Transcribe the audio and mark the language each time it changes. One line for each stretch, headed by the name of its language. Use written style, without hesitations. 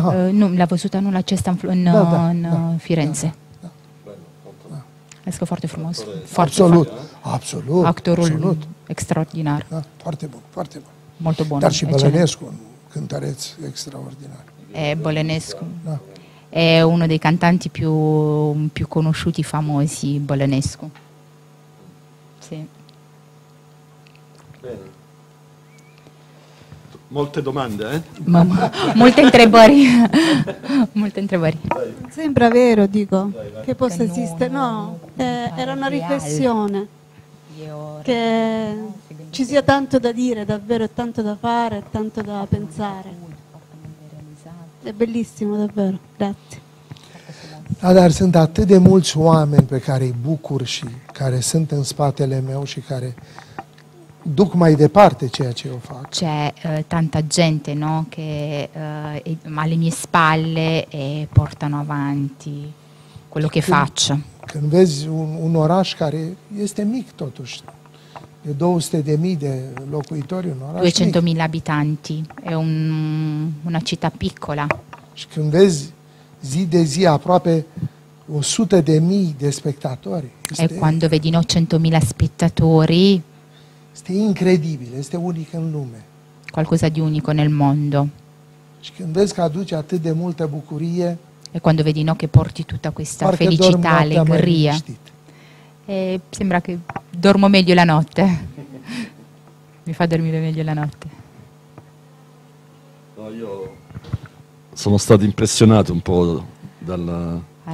Romanian: Nu, l-a văzut anul acesta în Firenze. Da. Da. Foarte frumos. Foarte absolut. Absolut. Actorul absolut. Extraordinar. Da. Foarte bun, foarte bun.
Italian: Molto bun.
Romanian: Dar și Bălănescu, un cântăreț extraordinar. Bălănescu. Da.
Italian: È uno dei cantanti più conosciuti, famosi, Bălănescu. Sì. Bene. Molte domande, Molte
Romanian: întrebări. Molte întrebări.
Italian: Sembra vero, dico, che possa esistere. No, era una riflessione. Che ci sia tanto da dire, davvero, tanto da fare, tanto da pensare. E bellissimo davvero, grazie.
Romanian: Dar sunt atât de mulți oameni pe care îi bucur și care sunt în spatele meu și care duc mai departe ceea ce eu fac.
Italian: C'è tanta gente, no, che alle mie spalle e portano avanti quello che faccio.
Romanian: Când vezi un oraș care este mic totuși, de 200.000 de locuitori, un oraș
Italian: 200.000 abitanti, e una città piccola.
Romanian: Și când vezi zi de zi aproape 100.000 de spettatori.
Italian: E quando vedi 100.000 spettatori.
Romanian: Este incredibile, este unic în lume.
Italian: Qualcosa di unico nel mondo.
Romanian: Și când vezi că aduce atât de multă bucurie.
Italian: E quando vedi, no, che porti tutta questa felicità, allegria. E sembra che dormo meglio la notte. Mi fa dormire meglio la notte. No, io sono stato impressionato un po' dalla